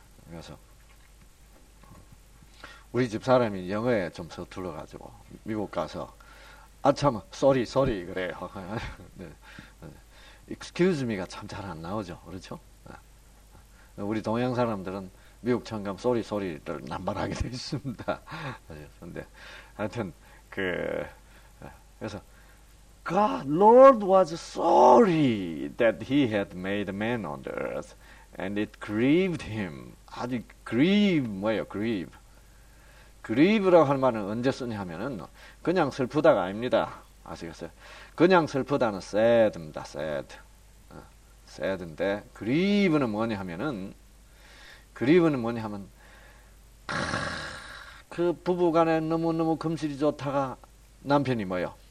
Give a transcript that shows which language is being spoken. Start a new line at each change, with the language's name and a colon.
Korean: 그래서 우리 집사람이 영어에 좀 서툴러 가지고 미국 가서 아참 쏘리 쏘리 그래요. 익스큐즈 미가 참 잘 안 나오죠. 그렇죠? 우리 동양 사람들은 미국 청감 쏘리 쏘리를 남발하게 돼 있습니다. 근데 하여튼 그 그래서
English: God Lord was sorry that he had made man on the earth and it grieved him.
Korean: 아주 grieve 뭐예요?
English: grieve.
Korean: grieve라고 하는 말은 언제 쓰냐면은 그냥 슬프다가 아닙니다. 아시겠어요? 그냥 슬프다는 sad입니다.
English: sad.
Korean: sad인데 grieve는 뭐냐면은 grieve는 뭐냐면 그 부부간에 너무너무 금실이 좋다가 남편이 뭐예요?